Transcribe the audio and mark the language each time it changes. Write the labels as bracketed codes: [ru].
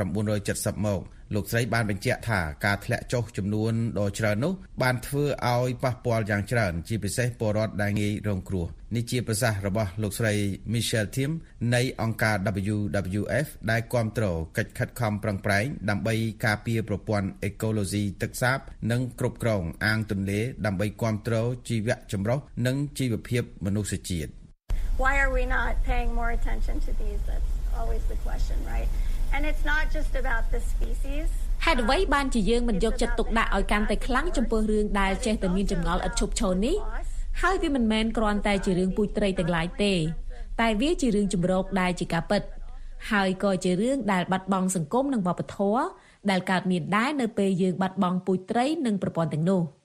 [km] 1970មកលោកស្រីបានបញ្ជាក់ថាការធ្លាក់ចុះចំនួនដ៏ច្រើននោះបានធ្វើឲ្យប៉ះពាល់យ៉ាងច្រើនជាពិសេសពលរដ្ឋដែលងាយរងគ្រោះនេះជាប្រសាសន៍របស់លោកស្រី Michelle Thiem នៃអង្គការ WWF ដែលគាំទ្រកិច្ចខិតខំប្រឹងប្រែងដើម្បីការពារប្រព័ន្ធអេកូឡូស៊ីទឹកសាបនិងគ្រប់គ្រងអាងទន្លេដើម្បីគាំទ្រជីវៈចម្រុះនិងជីវភាពមនុស្សជាតិ [en] Why are we not paying more attention to these? That's always the question, right? And it's not just about the species. [km] ហេតុអ្វីបានជាយើងមិនយកចិត្តទុកដាក់ឲ្យកាន់តែខ្លាំងចំពោះរឿងដែលចេះតែមានចម្ងល់ឥតឈប់ឈរនេះហើយវាមិនមែនគ្រាន់តែជារឿងពូជត្រីទាំងឡាយទេតែវាជារឿងចម្រោកដែលជាការពិតហើយក៏ជារឿងដែលបាត់បង់សង្គមនិងវប្បធម៌ដែលកើតមានដែរនៅពេលយើងបាត់បង់ពូជត្រីនិងប្រព័ន្ធទាំងនោះ